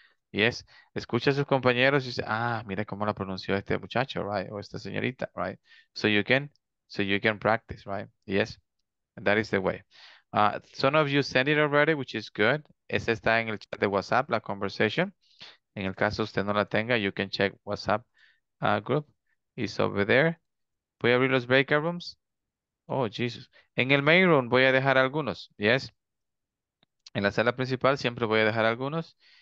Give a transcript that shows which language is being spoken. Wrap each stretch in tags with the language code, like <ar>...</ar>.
<es>Yes, escucha a sus compañeros y dice, ah, mira cómo la pronunció este muchacho, right? O esta señorita, right?</es> <en>So you can practice, right? Yes, and that is the way. Some of you sent it already, which is good.</en> <es>Ese está en el chat de WhatsApp, la conversation. En el caso usted no la tenga,</es> <en>you can check WhatsApp group. It's over there.</en> <es>Voy a abrir los breakout rooms. Oh, Jesus. En el main room voy a dejar algunos, yes. En la sala principal siempre voy a dejar algunos.</es>